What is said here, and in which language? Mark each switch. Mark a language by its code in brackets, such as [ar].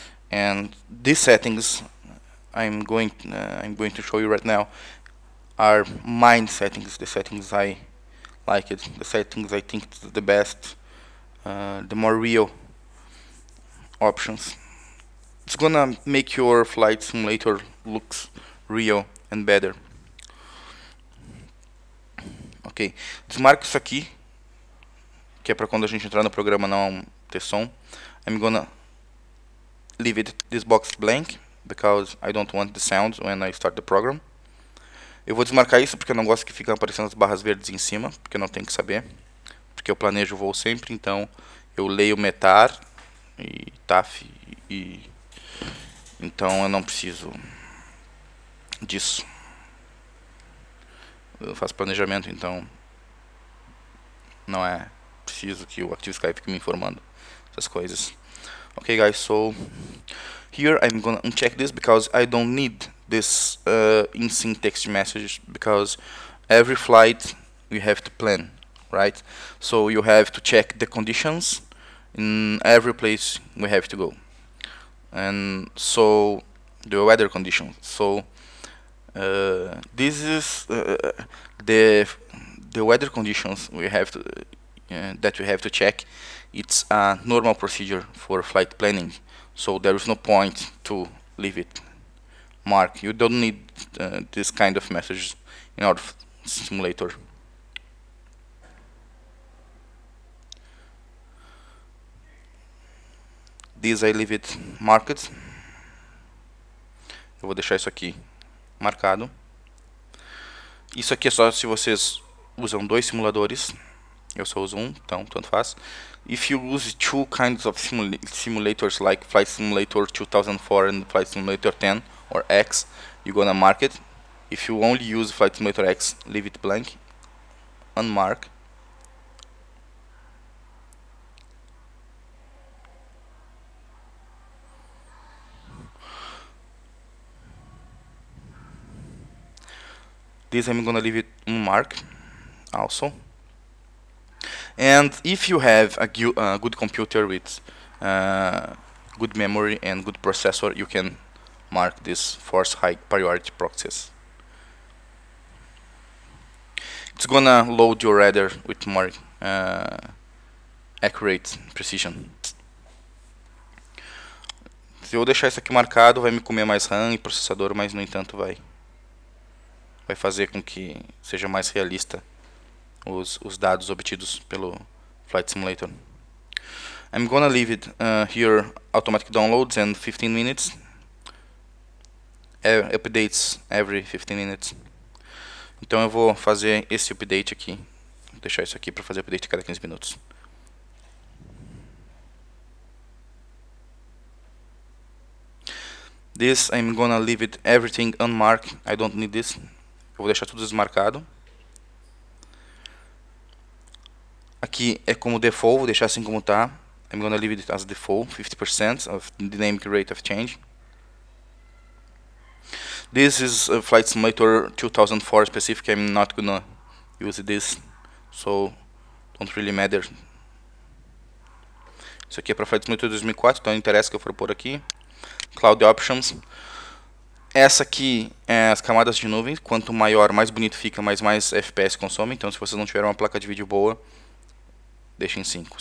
[en] And these settings I'm going to show you right now are mine settings, the settings I like it, the settings I think is the best, the more real options. It's gonna make your flight simulator looks real and better. [pt] Ok, desmarco isso aqui, que é para quando a gente entrar no programa não ter som. [en] I'm gonna leave it this box blank because I don't want the sound when I start the program. [pt] Eu vou desmarcar isso porque eu não gosto que fiquem aparecendo as barras verdes em cima, porque eu não tenho que saber, porque eu planejo o voo sempre, então eu leio METAR e TAF e então eu não preciso disso. Eu faço planejamento, então não é preciso que o ActiveSky fique me informando essas coisas. [en] Okay, guys, so here I'm gonna uncheck this because I don't need this in sync text message because every flight we have to plan, right? So you have to check the conditions in every place we have to go. And so the weather conditions. So this is the weather conditions we have to that we have to check. It's a normal procedure for flight planning, so there is no point to leave it mark. You don't need this kind of messages in our simulator. This I leave it marked. [pt] Eu vou deixar isso aqui marcado. Isso aqui é só se vocês usam dois simuladores. Eu só uso um, então tanto faz. [en] If you use two kinds of simulators, like Flight Simulator 2004 and Flight Simulator 10 or X, you're gonna mark it. If you only use Flight Simulator X, leave it blank. Unmark. This I'm gonna leave it unmarked also. And if you have a good computer with good memory and good processor, you can mark this force high priority proxies. It's gonna load your radar with more accurate precision. [pt] Se eu deixar isso aqui marcado, vai me comer mais RAM e processador, mas no entanto vai fazer com que seja mais realista os dados obtidos pelo Flight Simulator. [en] I'm gonna leave it here, automatic downloads and 15 minutes. Updates every 15 minutes. [pt] Então eu vou fazer esse update aqui. Vou deixar isso aqui para fazer update cada 15 minutos. [en] This, I'm gonna leave it everything unmarked. I don't need this. [pt] Eu vou deixar tudo desmarcado. Aqui é como default, vou deixar assim como está. [en] I'm gonna leave it as default, 50% of dynamic rate of change. This is a Flight Simulator 2004 specific. I'm not gonna use this, so don't really matter. [pt] Isso aqui é para Flight Simulator 2004, então não interessa que eu for por aqui. Cloud Options. Essa aqui é as camadas de nuvem. Quanto maior, mais bonito fica, mais FPS consome. Então, se vocês não tiverem uma placa de vídeo boa, deixem 5.